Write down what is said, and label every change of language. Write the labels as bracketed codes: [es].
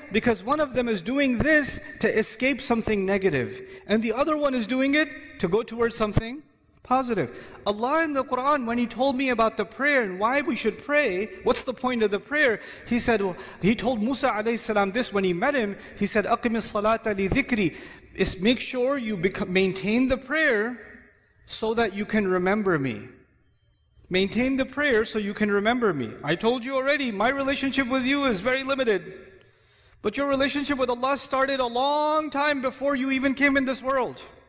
[en] Because one of them is doing this to escape something negative, and the other one is doing it to go towards something positive. Allah in the Quran, when He told me about the prayer and why we should pray, what's the point of the prayer? He said, He told Musa alayhi salam this when He met him. [ar] He said, أَقِمِ الصَّلَاةَ لِذِكْرِي. [en] It's make sure you maintain the prayer so that you can remember me. Maintain the prayer so you can remember me. I told you already, my relationship with you is very limited. But your relationship with Allah started a long time before you even came in this world.